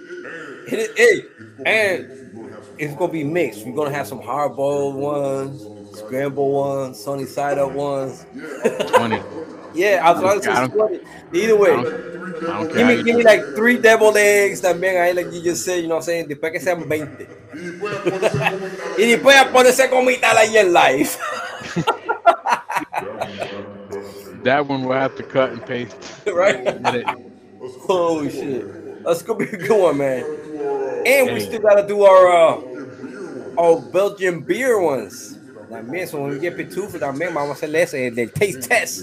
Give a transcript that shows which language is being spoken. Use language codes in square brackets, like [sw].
[en] And it's going to be mixed. We're going to have some hard-boiled ones, scramble ones, sunny side up ones. 20. Yeah, I was going to say 20. Either way, give me like 3 deviled eggs, [es] también, ahí, [en] like you just said, you know what I'm saying? [es] Después que sean 20. Y después a ponerse comida ahí en live. [en] That one we'll have to cut and paste. Right? Holy shit. That's going to be a good one, man. And we still got to do our Belgian beer ones. [es] También, [en] so when we get [es] Pitufo, también vamos a hacerle ese, del taste test.